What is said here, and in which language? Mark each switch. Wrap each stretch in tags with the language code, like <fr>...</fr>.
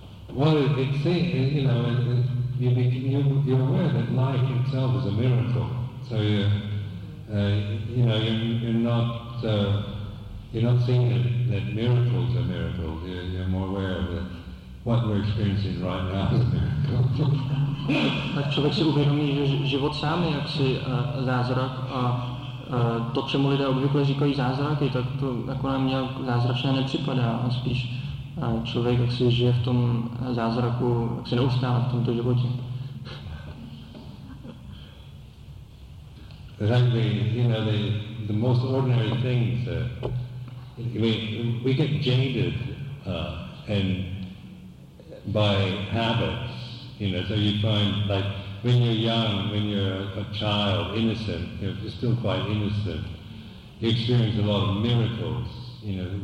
<en>Well, you're aware that life itself is a miracle. So, you're not seeing that miracles are miracles. You're more aware of that what we're experiencing right now is a miracle.</en> <cs>Tak člověk si uvědomí, že život sám je jaksi zázrak a to, čemu lidé obvykle říkají zázraky, tak to jako nám nějak zázračně nepřipadá. A spíš člověk jaksi žije v tom zázraku, jaksi neustále v tomto životě.</cs> <en>The most ordinary things we get jaded and by habits, you know. So you find, like, when you're young, when you're a child, innocent, you're still quite innocent, you experience a lot of miracles, you know.</en>